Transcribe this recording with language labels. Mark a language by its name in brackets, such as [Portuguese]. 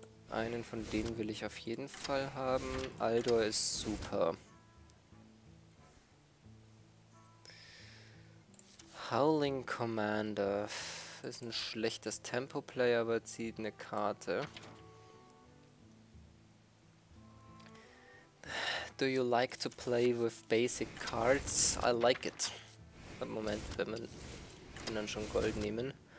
[German] Einen von denen will ich auf jeden Fall haben. Aldor ist super. Howling Commander ist ein schlechtes Tempo-Player, aber zieht eine Karte. [English] Do you like to play with basic cards? I like it. [German] Moment, wenn man dann schon Gold nehmen.